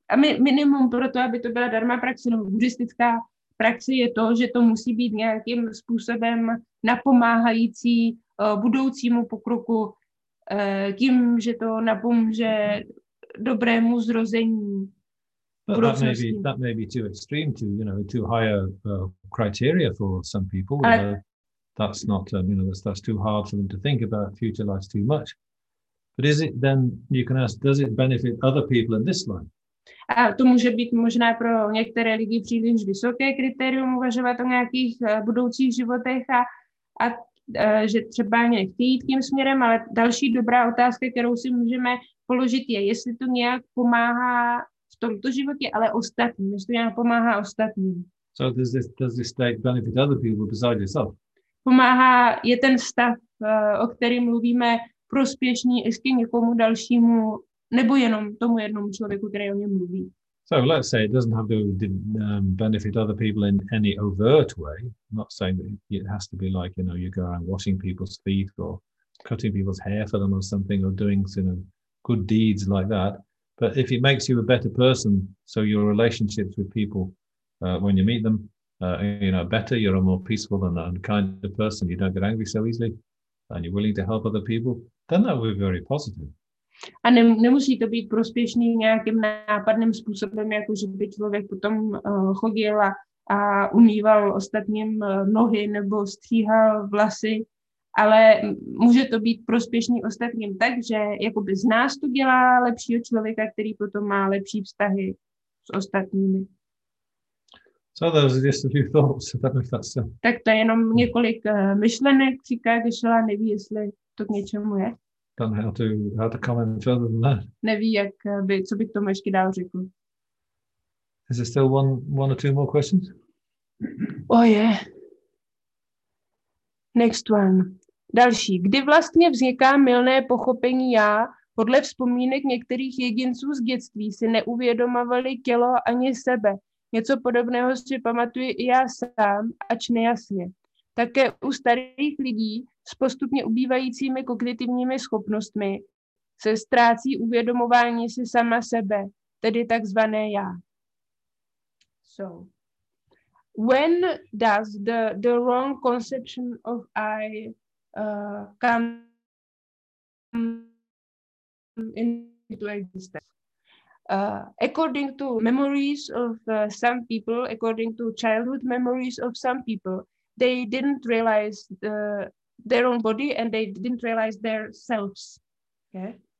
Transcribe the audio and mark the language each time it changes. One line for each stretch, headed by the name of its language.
Czech: A minimum pro to, aby to byla dharma praxe, nebo buddhistická praxe, je to, že to musí být nějakým způsobem napomáhající budoucímu pokroku tím, že to napomůže dobrému zrození.
English: But that may be too extreme, too high a criteria for some people. That's not, that's too hard for them to think about future lives too much. But is it then, you can ask, does it benefit other people in this life?
Czech: A to může být možná pro některé lidi příliš vysoké kritérium uvažovat o nějakých budoucích životech že třeba nechtějí tím směrem, ale další dobrá otázka, kterou si můžeme položit, je, jestli to nějak pomáhá v tomto životě, ale ostatním, jestli to nějak pomáhá ostatním.
English: So does this state benefit other people besides yourself?
Czech: Pomáhá, je ten stav, o kterém mluvíme, prospěšný ještě někomu dalšímu, nebo jenom tomu jednomu člověku, který o něm mluví.
English: So let's say it doesn't have to benefit other people in any overt way. I'm not saying that it has to be like, you know, you go around washing people's feet or cutting people's hair for them or something or doing, you know, good deeds like that. But if it makes you a better person, so your relationships with people, when you meet them, you know, better, you're a more peaceful and kind of person, you don't get angry so easily, and you're willing to help other people, then that would be very positive.
Czech: A nemusí to být prospěšný nějakým nápadným způsobem, jako že by člověk potom chodil a umýval ostatním nohy nebo stříhal vlasy, ale může to být prospěšný ostatním tak, že jakoby z nás to dělá lepšího člověka, který potom má lepší vztahy s ostatními.
English: So those are just a few thoughts. I don't know if that's a...
Czech: Tak to je jenom několik myšlenek, říká Kešela, neví, jestli to k něčemu je.
English: Don't know how to comment further than that.
Czech: Neví, jak by, co bych tomu ještě dál řekl.
English: Is there still one or two more questions? Oh yeah. Next one.
Czech: Další. Kdy vlastně vzniká mylné pochopení já? Podle vzpomínek některých jedinců z dětství si neuvědomovali tělo ani sebe. Něco podobného si pamatuji i já sám, ač nejasně. Také u starých lidí s postupně ubývajícími kognitivními schopnostmi se ztrácí uvědomování si sama sebe, tedy takzvané já.
English: So, when does the wrong conception of I come into existence? according to memories of some people, according to childhood memories of some people, they didn't realize their own body and they didn't realize their selves. Okay.